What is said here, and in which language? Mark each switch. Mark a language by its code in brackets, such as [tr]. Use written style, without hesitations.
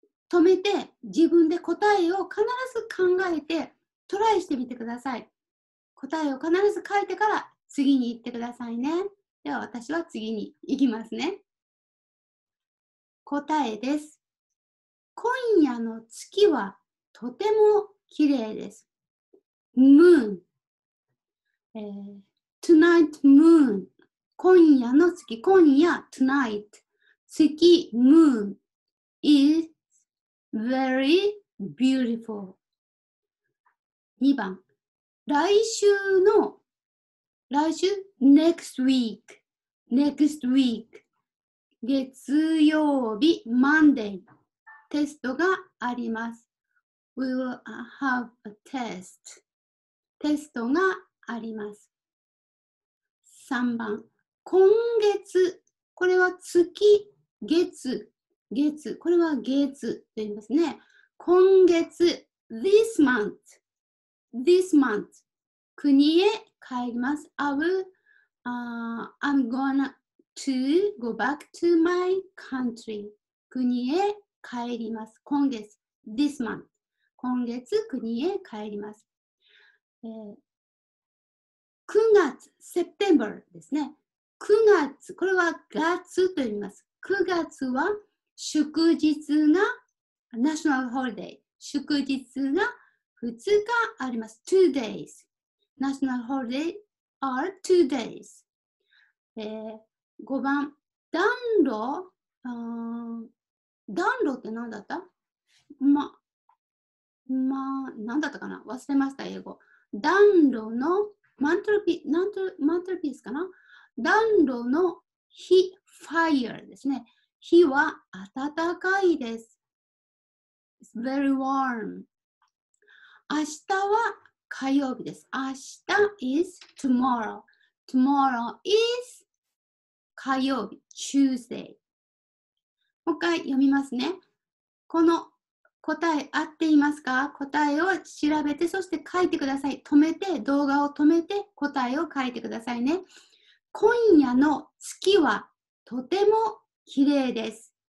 [ja] 止めて自分で答えを必ず考えてトライしてみてください。答えを必ず書いてから次に行ってくださいね。では私は次に行きますね。答えです。今夜の月はとても綺麗です。 [en] Moon、Tonight Moon、 [ja] 今夜の月、今夜 [en] Tonight 月 Moon is very beautiful。 [ja] 2番、来週の、来週 [en] Next week、 Next week、 [ja] 月曜日 Mondayテストがあります。 [en] We will have a test. [ja] テストがあります。 3番、今月、これは月、月、月、これは月と言いますね。今月、 [en] this month, this month, [ja] 国へ帰ります。 [en] I will, I'm gonna to go back to my country, [ja] 国へ帰ります。今月、 [en] this month。 [ja] 今月、国へ帰ります。 9月、September ですね。9 月、これは月と言います。9月は祝日が、ナショナルホリデー、祝日が2日あります。 [en] 2 days。 [ja] ナショナルホリデー [en] are 2 days。 [ja] 5番、暖炉、暖炉って何だった？何だったかな？忘れました、英語。暖炉のマントロピー、マントロピースかな？暖炉の火、fire ですね。火は暖かいです。 [en] It's very warm. [ja] 明日は火曜日です。 [en] 明日 is tomorrow. Tomorrow is 火曜日、Tuesday。 [ja] もう一回読みますね。この答え合っていますか？答えを調べて、そして書いてください。止めて、動画を止めて、答えを書いてくださいね。今夜の月はとても綺麗です。